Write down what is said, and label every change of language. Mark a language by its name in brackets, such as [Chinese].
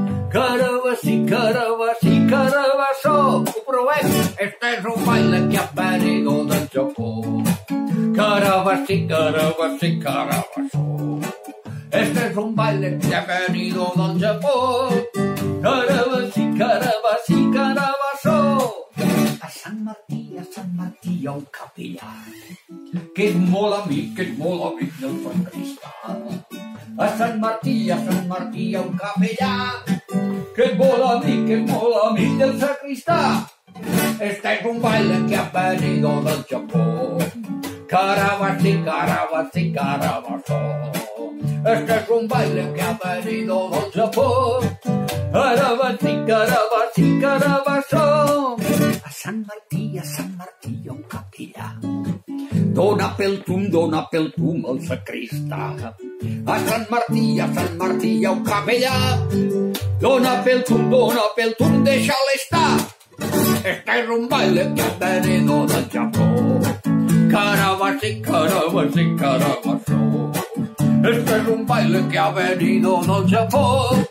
[Catalan] Carabassí, carabassí, carabassó. Ho provem. [Spanish] Este es un baile que ha venido del Japó. [Catalan] Carabassí, carabassí, carabassó. [Spanish] Este es un baile que ha venido del Japó. [Catalan] Carabassí, carabassí, carabassó. A Sant Martí, a Sant Martí, hi ha un capellà que és molt amic del sacristà. A Sant Martí, a Sant Martí, hi ha un capellà que és molt amic del sacristà. [Spanish] Este es un baile que ha venido del Japó. [Catalan] Carabassí, carabassí, carabassó. [Spanish] Este es un baile que ha venido del Japó. [Catalan] Carabassí, carabassí, carabassó. A Sant Martí, a Sant Martí, hi ha un capellà. Dona pel tum, el sacristà. A Sant Martí, hi ha un capellà. Dona pel tum, deixa-la estar. [Spanish] Este es un baile que ha venido del Japó. [Catalan] Carabassí, carabassí, carabassó. [Spanish] Este es un baile que ha venido del Japó.